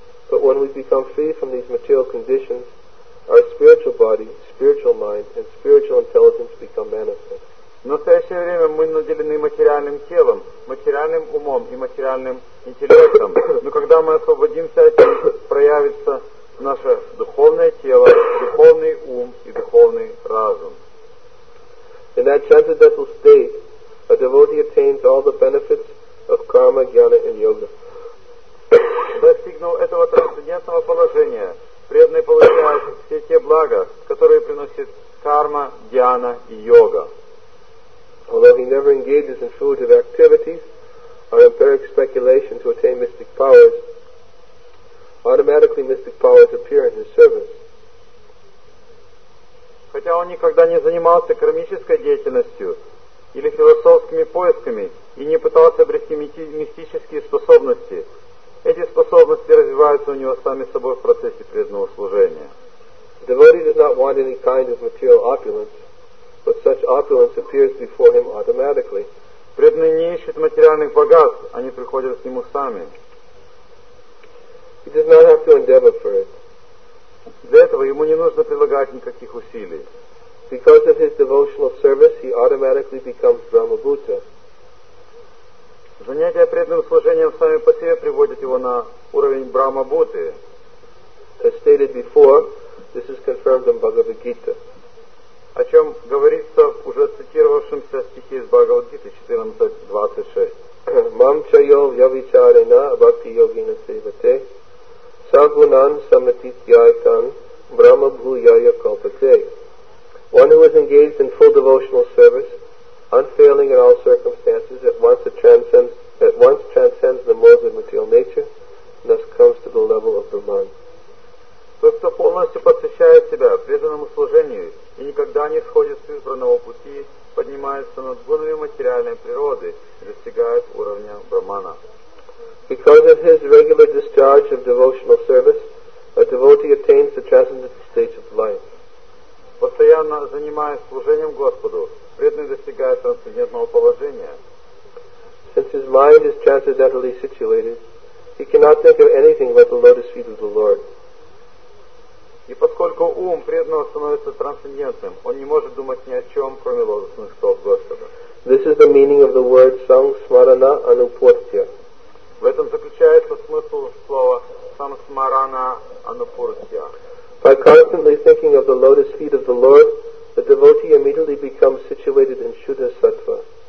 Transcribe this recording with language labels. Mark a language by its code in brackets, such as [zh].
[en] But when we become free from these material conditions, our spiritual body, spiritual mind, and spiritual intelligence become manifest. [ru] В настоящее время мы наделены материальным телом, материальным умом и материальным интеллектом. Но когда мы освободимся от них, проявится наше духовное тело, духовный ум и духовный разум. [en] In that transcendental state, a devotee attains all the benefits of karma, jnana and yoga. [ru] Достигнув этого трансцендентного положения, преданный получает все те блага, которые приносит карма, джана и йога. [en] Although he never engages in fruitive activities or empiric speculation to attain mystic powers, automatically mystic powers appear in his service. [ru] Хотя он никогда не занимался кармической деятельностью или философскими поисками и не пытался обрести мистические способности, эти способности развиваются у него сами собой в процессе преданного служения. [en] The devotee does not want any kind of material opulence, but such opulence appears before him automatically. [ru] Преданный не ищет материальных богатств, они приходят к нему сами. [en] He does not have to endeavor for it. [ru] Для этого ему не нужно прилагать никаких усилий. [en] Because of his devotional service, he automatically becomes Brahmabhuta. [ru] Занятия преданным служением сами по себе приводят его на уровень Брахмабуты. [en] As stated before, this is confirmed in Bhagavad Gita. [ru] О чем говорится в уже цитировавшемся стихе из Бхагавад-гиты 14.26. [sa] Мамчайов явичарена бхакти йогина севате сагунан самititьяйтан брахмабхуяя калпате. [en] One who is engaged in full devotional service, unfailing in all circumstances, at once transcends the modes of material nature, and thus comes to the level of Brahman. [ru] Тот, кто полностью посвящает себя преданному служению и никогда не сходит с избранного пути, поднимается над гунами материальной природы и достигает уровня Брахмана. [en] Because of his regular discharge of devotional service, a devotee attains the transcendental stage of life. [ru] Постоянно занимаясь служением Господу, преданный достигает трансцендентного положения. [en] Since his mind is transcendentally situated, he cannot think of anything but the lotus feet of the Lord. [ru] И поскольку ум преданного становится трансцендентным, он не может думать ни о чем, кроме лотосных стоп Господа. [en] This is the meaning of the word sang smarana anupurtya. [ru] В этом заключается смысл слова sang smarana anupurtya. [en] By constantly thinking of the lotus feet of the Lord, the devotee immediately becomes situated in Shuddha Sattva.